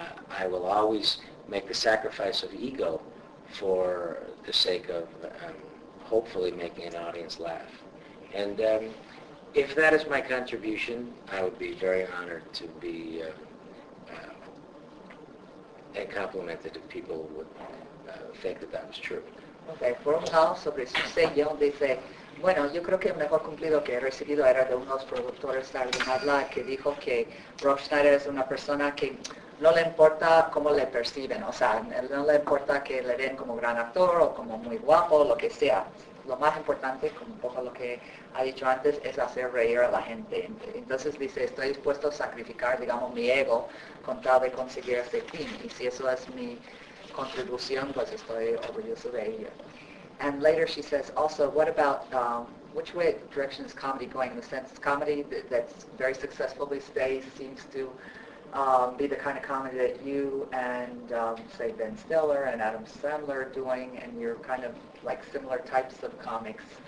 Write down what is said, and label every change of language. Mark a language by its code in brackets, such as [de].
[en] I will always make the sacrifice of ego for the sake of hopefully making an audience laugh. And if that is my contribution, I would be very honored to be and complimented if people would think that was true. [es] Okay, Paul Hall sobre su sello dice, bueno, yo creo que el mejor cumplido que he recibido era de unos productores de Alguien Habla, que dijo que Rob Schneider es una persona que no le importa cómo le perciben, o sea, no le importa que le den como gran actor o como muy guapo, lo que sea. Lo más importante, como un poco lo que ha dicho antes, es hacer reír a la gente. Entonces dice, estoy dispuesto a sacrificar, digamos, mi ego con tal de conseguir ese fin. Y si eso es mi contribución, pues estoy orgulloso de ello. [en] And later she says, also, what about, which way direction is comedy going? In the sense, comedy that's very successful these days seems to be the kind of comedy that you and, say, Ben Stiller and Adam Sandler are doing, and you're kind of like similar types of comics.